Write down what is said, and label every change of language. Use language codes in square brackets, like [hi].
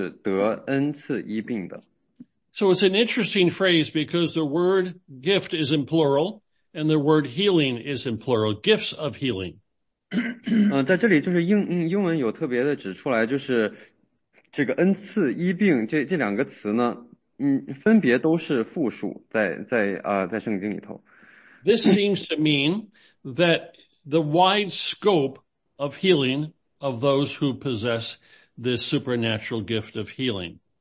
[zh] 我们再看这个第28节，他说，就是再次是得恩赐医病的。 [en] So it's an interesting phrase because the word gift is in plural and the word healing is in plural, gifts of healing. [zh] 在这里就是英文有特别的指出来，就是这个恩赐医病这两个词呢，分别都是复数在圣经里头。 [en] This seems to mean that the wide scope of healing of those who possess this supernatural gift of healing.